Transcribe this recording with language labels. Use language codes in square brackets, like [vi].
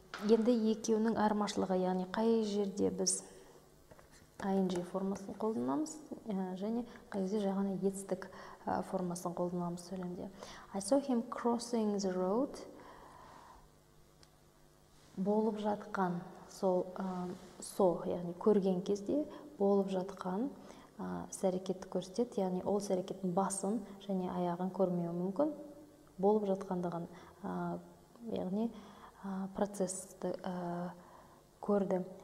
[kk] Енді екеуінің айырмашылығы, яғни қай жерде біз ing формасын қолданамыз және қай жерде жағына етістік формасын қолданамыз сөйлемде. [en] I saw him crossing the road. [kk] Болып жатқан сол со, яғни көрген кезде болып жатқан әрекетті көрсетеді, яғни ол әрекеттің басын және аяғын көрмеуі мүмкін. Болып жатқандығын, яғни процессті көрді.